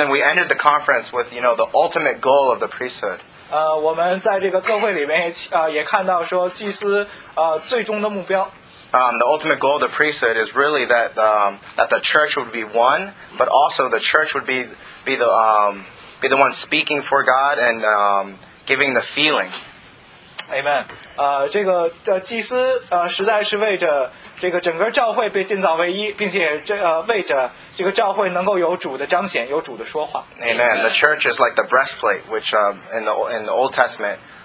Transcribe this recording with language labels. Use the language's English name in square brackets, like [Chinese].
[English] then we ended the conference with, you know, the ultimate goal of the priesthood. [Chinese] 我们在这个特会里面也看到说祭司最终的目标。 [English] The ultimate goal of the priesthood is really that that the church would be one, but also the church would be the one speaking for God and giving the feeling. Amen. [Chinese] 这个祭司实在是为着这个整个教会被建造为一，并且为着这个教会能够有主的彰显，有主的说话。 [English] Amen. The church is like the breastplate, which in the Old Testament.